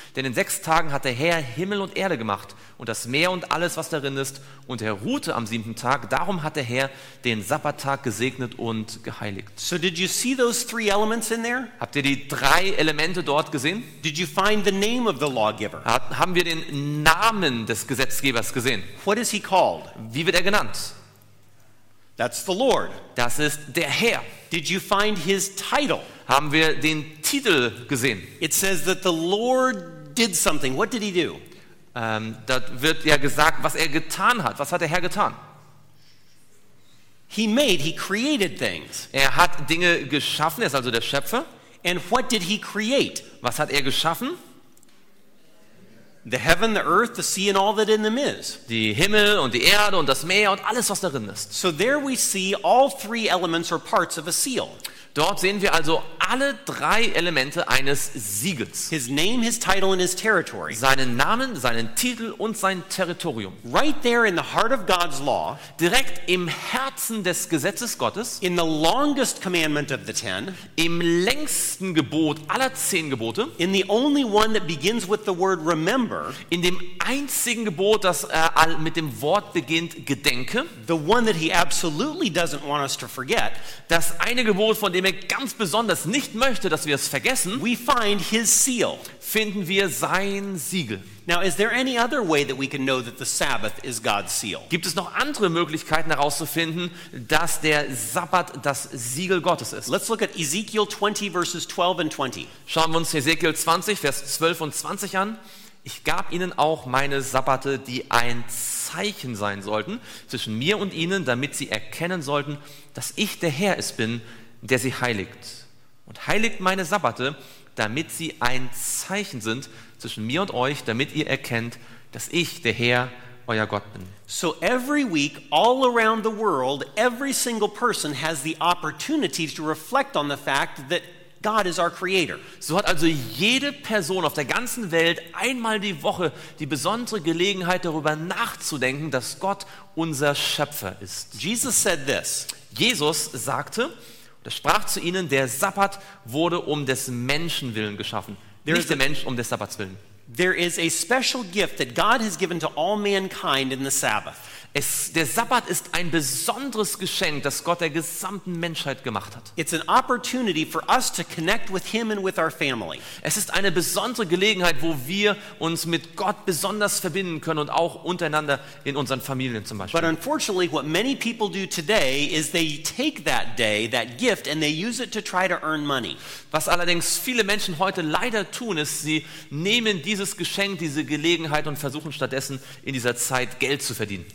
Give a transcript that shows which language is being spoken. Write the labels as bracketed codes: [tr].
[de] Denn in sechs Tagen hat der Herr Himmel und Erde gemacht und das Meer und alles, was darin ist. Und er ruhte am siebten Tag. Darum hat der Herr den Sabbattag gesegnet und geheiligt. [en] So did you see those three elements in there? [de] Habt ihr die drei Elemente dort gesehen? [en] Did you find the name of the lawgiver? [de] Haben wir den Namen des Gesetzgebers gesehen? [en] What is he called? [de] Wie wird er genannt? [en] That's the Lord. [de] Das ist der Herr. [en] Did you find his title? [de] Haben wir den Titel gesehen? [en] It says that the Lord did something. What did he do? [de] Da wird ja gesagt, was er getan hat. Was hat der Herr getan? [en] He made, he created things. [de] Er hat Dinge geschaffen, er ist also der Schöpfer. [en] And what did he create? [de] Was hat er geschaffen? [en] The heaven, the earth, the sea and all that in them is. [de] Die Himmel und die Erde und das Meer und alles, was darin ist. [en] So there we see all three elements or parts of a seal. [de] Dort sehen wir also alle drei Elemente eines Siegels. [en] His name, his title and his territory. [de] Seinen Namen, seinen Titel und sein Territorium. [en] Right there in the heart of God's law, [de] direkt im Herzen des Gesetzes Gottes, [en] in the longest commandment of the ten, [de] im längsten Gebot aller zehn Gebote, [en] in the only one that begins with the word remember, [de] in dem einzigen Gebot, das mit dem Wort beginnt, gedenke, [en] the one that he absolutely doesn't want us to forget, [de] das eine Gebot, von dem er ganz besonders nicht möchte, dass wir es vergessen, [en] we find his seal, [de] finden wir sein Siegel. [en] Now, is there any other way that we can know that the Sabbath is God's seal? [de] Gibt es noch andere Möglichkeiten herauszufinden, dass der Sabbat das Siegel Gottes ist? [en] Let's look at Ezekiel 20 verses 12 and 20. [de] Schauen wir uns Ezekiel 20 Vers 12 und 20 an. Ich gab ihnen auch meine Sabbate, die ein Zeichen sein sollten zwischen mir und ihnen, damit sie erkennen sollten, dass ich der Herr es bin, der sie heiligt. Und heiligt meine Sabbate, damit sie ein Zeichen sind zwischen mir und euch, damit ihr erkennt, dass ich der Herr euer Gott bin. [en] So every week, all around the world, every single person has the opportunity to reflect on the fact that God is our creator. [de] So hat also jede Person auf der ganzen Welt einmal die Woche die besondere Gelegenheit, darüber nachzudenken, dass Gott unser Schöpfer ist. [en] Jesus said this. [de] Jesus sagte, oder sprach zu ihnen, der Sabbat wurde um des Menschen willen geschaffen, nicht der Mensch um des Sabbats willen. [en] There is a special gift that God has given to all mankind in the Sabbath. [de] Der Sabbat ist ein besonderes Geschenk, das Gott der gesamten Menschheit gemacht hat. [en] It's an opportunity for us to connect with him and with our family. [de] Es ist eine besondere Gelegenheit, wo wir uns mit Gott besonders verbinden können und auch untereinander in unseren Familien zum Beispiel. [en] But unfortunately, what many people do today is they take that day, that gift, and they use it to try to earn money. [de] Was allerdings viele Menschen heute leider tun, ist, sie nehmen dieses Geschenk, diese Gelegenheit und versuchen stattdessen in dieser Zeit Geld zu verdienen.